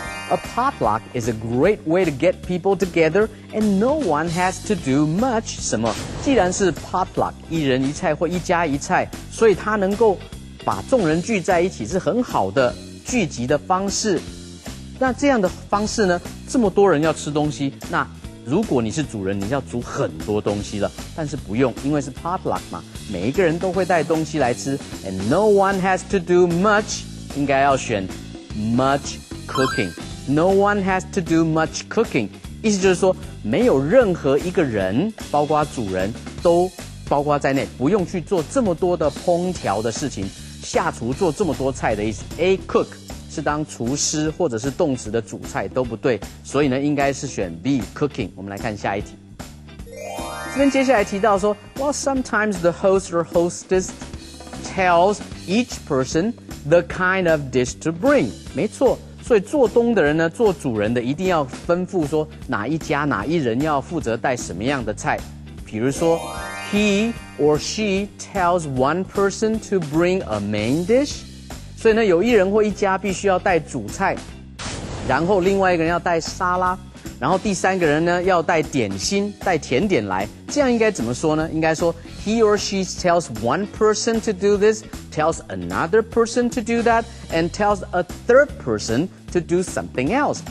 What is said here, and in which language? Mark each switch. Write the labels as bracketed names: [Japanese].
[English] A potluck is a great way to get people together and no one has to do much. [Chinese] 什么？既然是 potluck， 一人一菜或一家一菜，所以它能够把众人聚在一起是很好的聚集的方式。那这样的方式呢，这么多人要吃东西，那如果你是主人，你要煮很多东西了。但是不用，因为是 potluck 嘛，每一个人都会带东西来吃。 [English] And no one has to do much， [Chinese] 应该要选 [English] much cooking。 No one has to do much cooking， [Chinese] 意思就是说没有任何一个人，包括主人都包括在内，不用去做这么多的烹调的事情，下厨做这么多菜的意思。 A cook 是当厨师或者是动词的主菜，都不对，所以呢应该是选 B cooking。我们来看下一题。这边接下来提到说 [English] Well sometimes the host or hostess tells each person the kind of dish to bring。 [Chinese] 没错，所以做东的人呢，做主人的一定要吩咐说哪一家哪一人要负责带什么样的菜。比如说 [English] He or she tells one person to bring a main dish。 [Chinese] 所以呢有一人或一家必须要带主菜，然后另外一个人要带沙拉，然后第三个人呢要带点心，带甜点来。这样应该怎么说呢？应该说 [English] He or she tells one person to do this, tells another person to do that, and tells a third person to do something else。